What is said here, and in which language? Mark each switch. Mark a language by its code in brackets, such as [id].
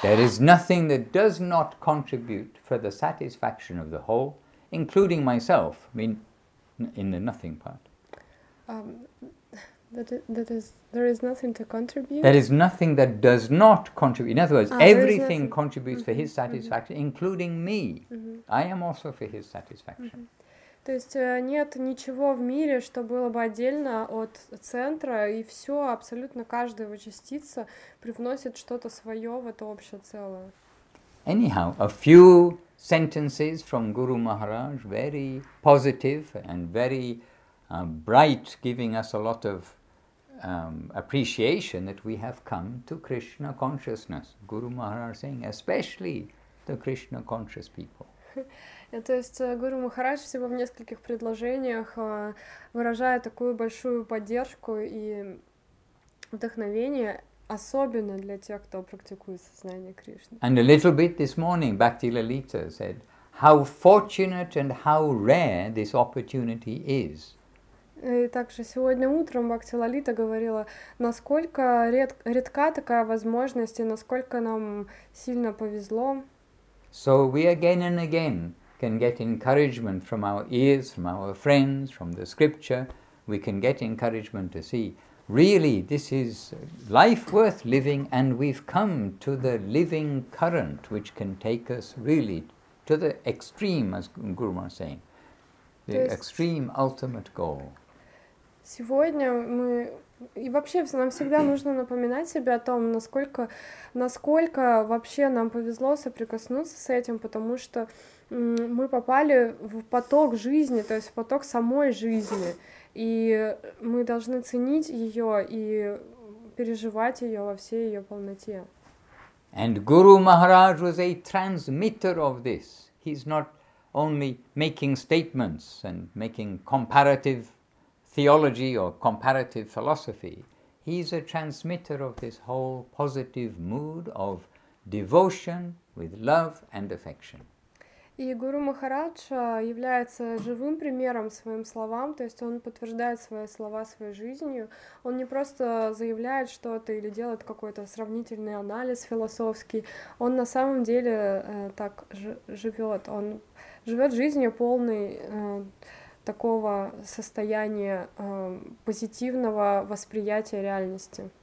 [en] There is nothing that does not contribute for the satisfaction of the whole, including myself. I mean, in the nothing part. There is nothing that does not contribute. In other words, everything contributes for his satisfaction, including me. I am also for his satisfaction. [ru] То есть нет ничего в мире, что было бы отдельно от центра, и все, абсолютно каждая его частица привносит что-то свое в это общее целое. [en] Anyhow, a few sentences from Guru Maharaj, very positive and very bright, giving us a lot of appreciation that we have come to Krishna consciousness. Guru Maharaj saying, especially the Krishna conscious people. [ru] То есть Гуру Махарадж всего в нескольких предложениях выражает такую большую поддержку и вдохновение, особенно для тех, кто практикует сознание Кришны. [en] And a little bit this morning, Bhakti Lalita said, how fortunate and how rare this opportunity is. [ru] И также сегодня утром Бхакти Лалита говорила, насколько редка такая возможность и насколько нам сильно повезло. [en] So we again and again can get encouragement from our ears, from our friends, from the scripture. We can get encouragement to see, really, this is life worth living, and we've come to the living current which can take us really to the extreme, as Guru Maharaj is saying, the extreme ultimate goal. [ru] Сегодня мы, и вообще нам всегда нужно напоминать себе о том, насколько вообще нам повезло соприкоснуться с этим, потому что мы попали в поток жизни, то есть в поток самой жизни, и мы должны ценить ее и переживать ее во всей ее полноте. [en] And Guru Maharaj was a transmitter of this. He's not only making statements and making comparative theology or comparative philosophy. He's a transmitter of this whole positive mood of devotion with love and affection. [ru] И Гуру Махарадж является живым примером своим словам, то есть он подтверждает свои слова своей жизнью. Он не просто заявляет что-то или делает какой-то сравнительный анализ философский. Он на самом деле так живет. Он живет жизнью полной такого состояния позитивного восприятия реальности.